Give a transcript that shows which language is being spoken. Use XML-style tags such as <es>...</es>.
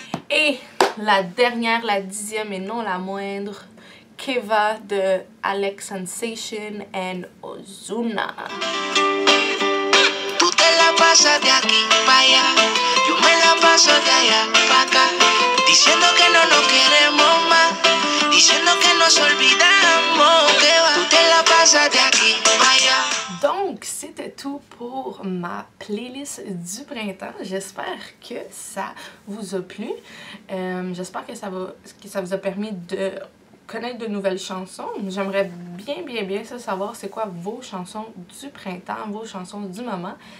<fr>Et la dernière, la dixième et non la moindre, Keva de Alex Sensation and Ozuna.</fr> <es>Tu te la pasas de aquí pa allá, yo me la paso de allá pa acá. Diciendo que no nos queremos más, diciendo que nos olvidamos, que va, tú te la pasas de aquí pa allá.</es> <fr>Donc, c'était tout pour ma playlist du printemps. J'espère que ça vous a plu. J'espère que ça vous a permis de connaître de nouvelles chansons. J'aimerais bien ça savoir c'est quoi vos chansons du printemps, vos chansons du moment.</fr>